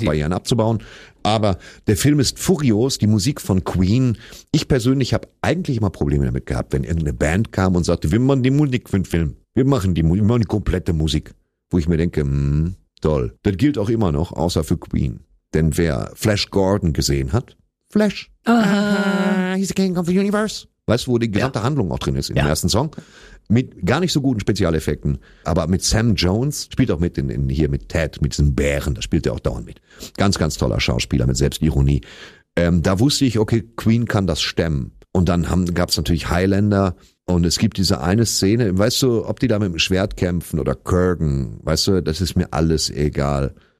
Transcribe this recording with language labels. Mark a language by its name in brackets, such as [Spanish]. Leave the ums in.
[German] Sprachbarrieren abzubauen. Aber der Film ist furios, die Musik von Queen. Ich persönlich habe eigentlich immer Probleme damit gehabt, wenn irgendeine Band kam und sagte, wir machen die Musik für den Film. Wir machen die, Mu- wir machen die komplette Musik wo ich mir denke, hm, toll. Das gilt auch immer noch, außer für Queen. Denn wer Flash Gordon gesehen hat, Flash. [English] Ah, he's the king of the universe. [German] Weißt du, wo die gesamte Handlung auch drin ist im Ja. ersten Song? Mit gar nicht so guten Spezialeffekten, aber mit Sam Jones, spielt auch mit in, in hier mit Ted, mit diesem Bären, da spielt er auch dauernd mit. Ganz, ganz toller Schauspieler mit Selbstironie. Ähm, da wusste ich, okay, Queen kann das stemmen. Und dann gab es natürlich Highlander und es gibt diese eine Szene, weißt du, ob die da mit dem Schwert kämpfen oder Kurgan, weißt du, das ist mir alles egal.